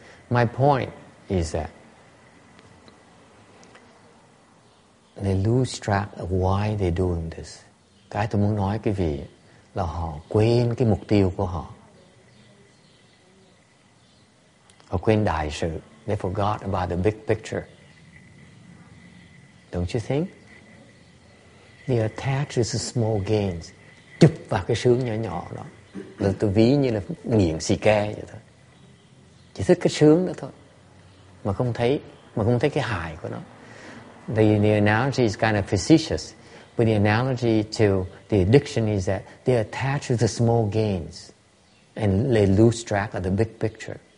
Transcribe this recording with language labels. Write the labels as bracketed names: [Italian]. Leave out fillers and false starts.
[English] My point is that they lose track of why they're doing this. [Vietnamese] Cái tôi muốn nói cái gì là họ quên cái mục tiêu của họ. Họ quên đại sự. [English] They forgot about the big picture. Don't you think? They attach to small gains. [Vietnamese] Chụp vào cái sướng nhỏ nhỏ đó. Là tôi ví như là nghiện xì ke vậy thôi. Chỉ thích cái sướng đó thôi. Mà không thấy cái hại của nó. [English] The analogy is kind of facetious. But the analogy to the addiction is that they attach to the small gains. And they lose track of the big picture.